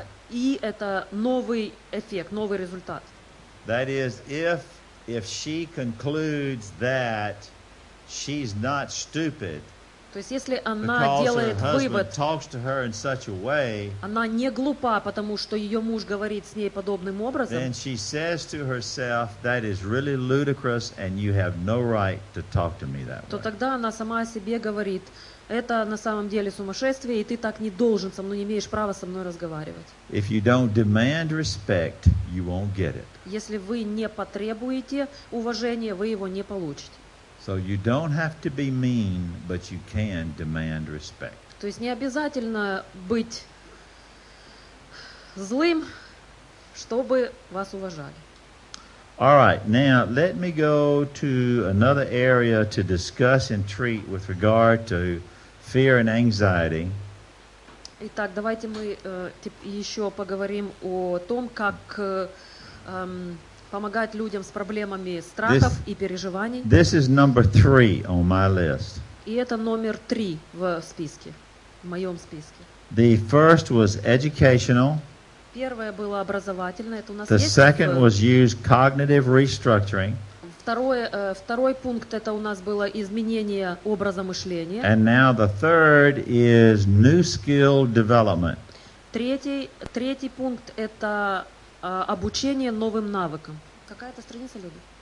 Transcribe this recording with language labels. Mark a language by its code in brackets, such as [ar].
[ru] E это новый эффект, новый результат. [en] That is, if she concludes that she's not stupid. [ru] То есть если она делает вывод, [en] talks to her in such a way, [ru] она не глупа, потому что ее муж говорит с ней подобным образом. [en] Then she says to herself, that is really ludicrous, and you have no right to talk to me that way. [ru] То тогда она сама себе говорит, это на самом деле сумасшествие, и ты так не должен со мной, не имеешь права со мной разговаривать. [en] If you don't demand respect, you won't get it. [ru] Если вы не потребуете уважения, вы его не получите. [en] So you don't have to be mean, but you can demand respect. [ru] То есть не обязательно быть злым, чтобы вас уважали. [en] All right, now let me go to another area to discuss and treat with regard to fear and anxiety. [ru] Итак, давайте мы еще поговорим о том, как помогать людям с проблемами страхов и переживаний. [en] This is number three on my list. [ru] И это номер три в списке, в моем списке. [en] The first was educational. [ru] Первое было образовательное. Это у нас [en] The second was used cognitive restructuring. [ru] Второй пункт это у нас было изменение образа мышления. [en] And now the third is new skill development. [ru] Третий пункт это обучение новым навыкам. Какая-то страница, Люда?